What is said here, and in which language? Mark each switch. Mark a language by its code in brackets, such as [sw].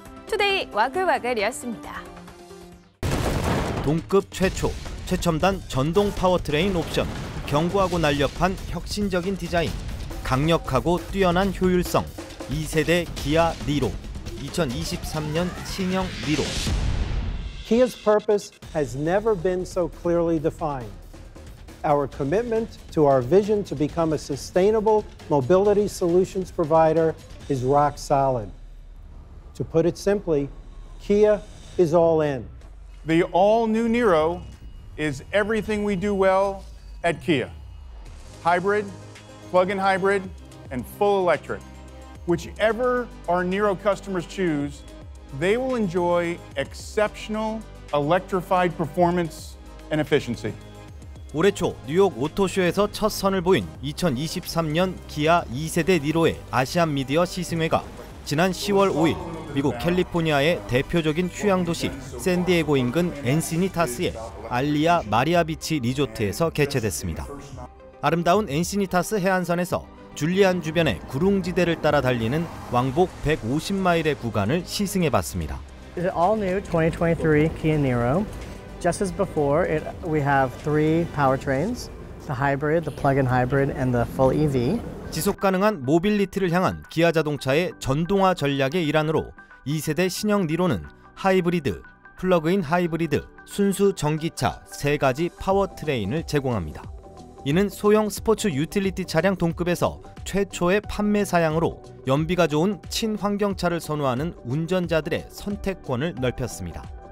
[ko] 투데이 와글와글이었습니다. 동급 최초, 최첨단 전동 파워트레인 옵션, 견고하고 날렵한 혁신적인 디자인, 강력하고 뛰어난 효율성, 2세대 기아 니로, 2023년 신형 니로. [en] Kia's purpose has never been so clearly defined. Our commitment to our vision to become a sustainable mobility solutions provider is rock solid. To put it simply, Kia is all in. The all-new Niro is everything we do well at Kia. Hybrid, plug-in hybrid, and full electric. Whichever our Niro customers choose, they will enjoy exceptional electrified performance and efficiency. [ko] 올해 초 뉴욕 오토쇼에서 첫 선을 보인 2023년 기아 2세대 니로의 아시안 미디어 시승회가 지난 10월 5일 미국 캘리포니아의 대표적인 휴양 도시 샌디에고 인근 엔시니타스의 알리아 마리아 비치 리조트에서 개최됐습니다. 아름다운 엔시니타스 해안선에서 줄리안 주변의 구릉지대를 따라 달리는 왕복 150마일의 구간을 시승해 봤습니다. [en] It's all new 2023 Kia Niro. Just as before, we have three powertrains: the hybrid, the plug-in hybrid, and the full EV. [ko] 지속 가능한 모빌리티를 향한 기아 자동차의 전동화 전략의 일환으로 2세대 신형 니로는 하이브리드, 플러그인 하이브리드, 순수 전기차 세 가지 파워트레인을 제공합니다. 이는 소형 스포츠 유틸리티 차량 동급에서 최초의 판매 사양으로 연비가 좋은 친환경차를 선호하는 운전자들의 선택권을 넓혔습니다.